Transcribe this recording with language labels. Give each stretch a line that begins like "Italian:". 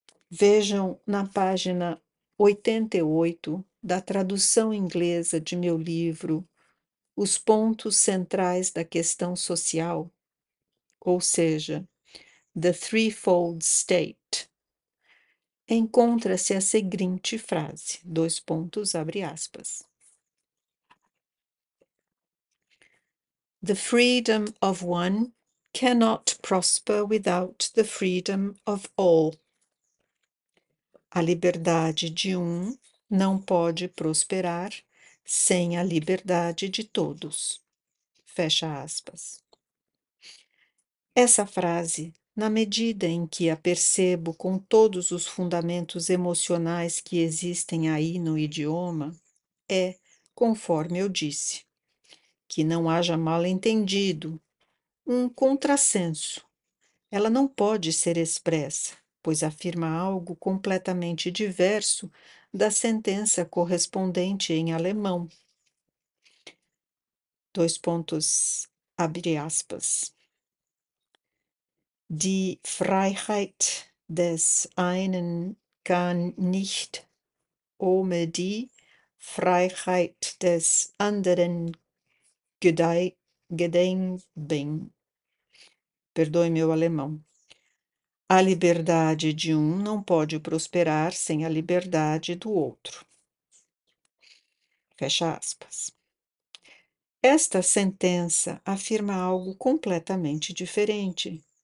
Portuguese: Vejam na página 88 da tradução inglesa de meu livro os pontos centrais da questão social, ou seja, The Threefold State. Encontra-se a seguinte frase, dois pontos, abre aspas.
English: The freedom of one cannot prosper without the freedom of all.
Portuguese: A liberdade de um não pode prosperar sem a liberdade de todos. Fecha aspas. Essa frase, na medida em que a percebo com todos os fundamentos emocionais que existem aí no idioma, é, conforme eu disse, que não haja mal-entendido, um contrassenso. Ela não pode ser expressa, pois afirma algo completamente diverso da sentença correspondente em alemão. Dois pontos, abre aspas.
German: Die Freiheit des einen kann nicht ohne die Freiheit des anderen gedeihen.
Portuguese: Perdoe meu alemão. A liberdade de um não pode prosperar sem a liberdade do outro. Fecha aspas. Esta sentença afirma algo completamente diferente.